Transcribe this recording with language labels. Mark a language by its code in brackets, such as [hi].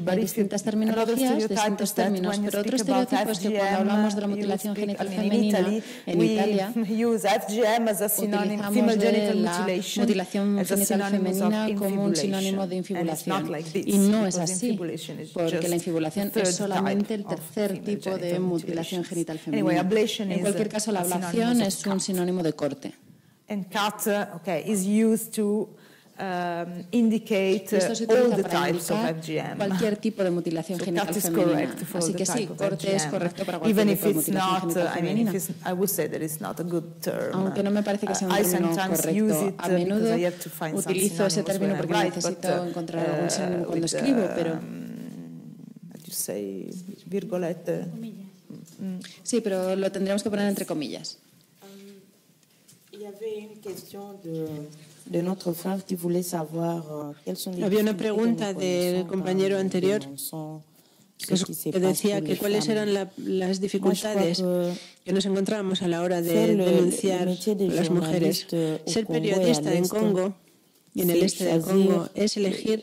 [es] but hay distintas terminologías, distintos términos, pero otros estereotipos que cuando hablamos de la mutilación genital femenina en Italia, utilizamos la mutilación genital femenina como un sinónimo de infibulación. Y no es así, porque la infibulación es solamente el tercer tipo de mutilación genital femenina. En cualquier caso, la ablación es un sinónimo de corte. [en] And cut, is used to indicate all the types of FGM. [es] Cualquier tipo de mutilación genital femenina. Así que sí, corte es correcto para cualquier tipo de mutilación genital femenina. [en] I would say that it's not a good term. [es] Aunque no me parece que sea un término correcto. A menudo utilizo ese término porque necesito encontrar algún sinónimo cuando escribo, pero sí, pero lo tendríamos que poner entre comillas. Y había una cuestión de [fr] notre femme qui voulait savoir quelles sont les. [es] Había una pregunta del compañero anterior que decía que cuáles eran las dificultades que nos encontrábamos a la hora de denunciar a las mujeres. Ser periodista en Congo y en el este del Congo es elegir